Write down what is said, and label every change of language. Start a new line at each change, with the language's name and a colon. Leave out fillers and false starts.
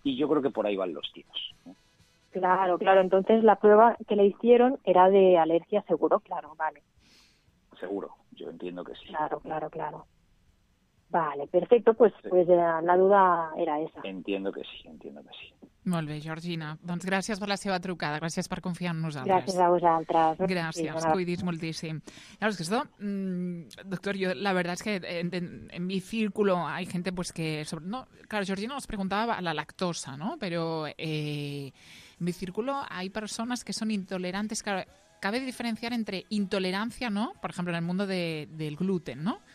Spanish: Y yo creo que por ahí van los tiros, ¿no? Claro. Entonces la prueba que le hicieron era de alergia, seguro, claro, vale. Seguro. Yo entiendo que sí. Claro, claro, claro. Vale, perfecto, pues, sí. Pues la duda era esa. Entiendo que sí, entiendo que sí.
Catalan: Molt bé, Georgina. Doncs gràcies per la seva trucada, gràcies per confiar en nosaltres. Gràcies a vosaltres. Gràcies, sí, cuidis moltíssim.
Spanish: Llavors, que esto, doctor, jo, la verdad es que en mi círculo hay gente pues que... Sobre, no, claro, Georgina nos preguntaba la lactosa, ¿no? Pero en mi círculo hay personas que son intolerantes. Claro, cabe diferenciar entre intolerancia, ¿no? Por ejemplo, en el mundo del gluten, ¿no?